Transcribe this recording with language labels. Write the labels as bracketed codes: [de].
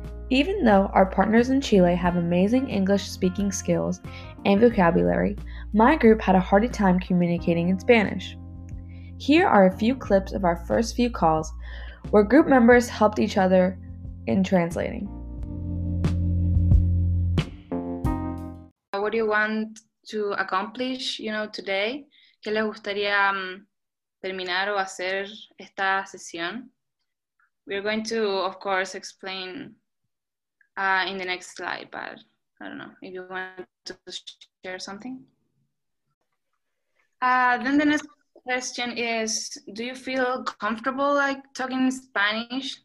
[en] Even though our partners in Chile have amazing English speaking skills and vocabulary, my group had a hard time communicating in Spanish. Here are a few clips of our first few calls where group members helped each other in translating. What do you want to accomplish, you know, today? [es] ¿Qué les gustaría terminar o hacer esta sesión? [en] We're going to, of course, explain in the next slide, but I don't know, if you want to share something. Then the next question is, do you feel comfortable, like, talking Spanish?